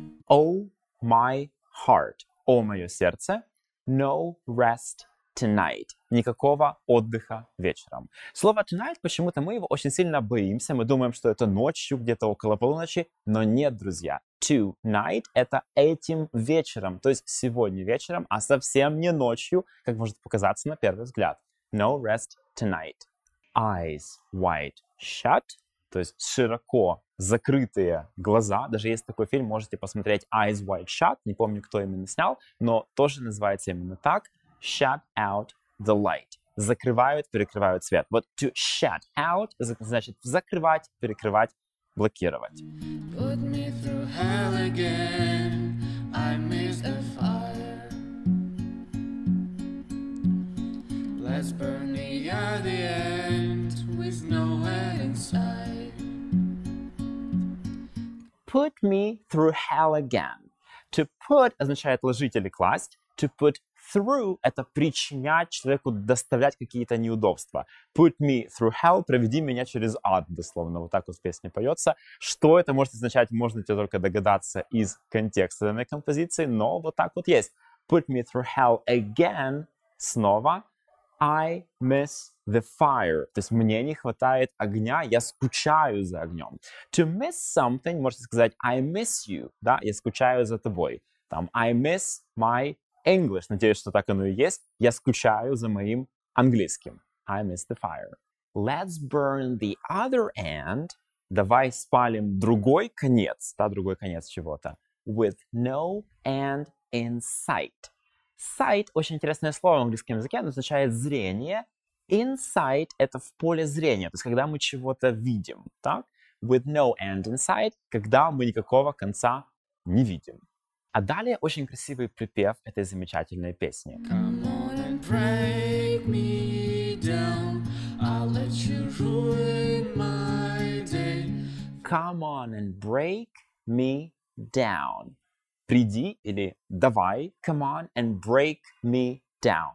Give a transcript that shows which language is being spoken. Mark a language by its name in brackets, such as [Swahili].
[English] Oh, my heart, [Russian] о, мое сердце, [English] no rest tonight. [Russian] Никакого отдыха вечером. Слово tonight, почему-то мы его очень сильно боимся. Мы думаем, что это ночью, где-то около полуночи. Но нет, друзья. Tonight — это этим вечером. То есть сегодня вечером, а совсем не ночью, как может показаться на первый взгляд. [English] No rest tonight. Eyes wide shut. [Russian] То есть широко закрытые глаза. Даже есть такой фильм, можете посмотреть Eyes Wide Shut. Не помню, кто именно снял, но тоже называется именно так. [English] Shut out the light. [Russian] Закрывают, перекрывают свет. Вот to shut out значит закрывать, перекрывать, блокировать. [English] Put me through hell again. I miss the fire. Let's burn me at the end with no end in sight. Put me through hell again. [Russian] To put означает ложить или класть. To put through — это причинять человеку, доставлять какие-то неудобства. [English] Put me through hell [Russian] — проведи меня через ад, дословно. Вот так вот в песне поется. Что это может означать, можно тебе только догадаться из контекста данной композиции, но вот так вот есть. [English] Put me through hell again — [Russian] снова. [English] I miss the fire. [Russian] То есть мне не хватает огня, я скучаю за огнем. To miss something — можете сказать [English] I miss you, [Russian] да, я скучаю за тобой. [English] Там I miss my English. [Russian] Надеюсь, что так оно и есть. Я скучаю за моим английским. [English] I miss the fire. Let's burn the other end. [Russian] Давай спалим другой конец. Да, другой конец чего-то. [English] With no end in sight. [Russian] Sight — очень интересное слово в английском языке. Оно означает зрение. In sight — это в поле зрения. То есть, когда мы чего-то видим. Так? [English] With no end in sight [Russian] — когда мы никакого конца не видим. А далее очень красивый припев этой замечательной песни. [English] Come on and break me down. I'll let you ruin my day. Come on and break me down. [Russian] Приди или давай. [English] Come on and break me down.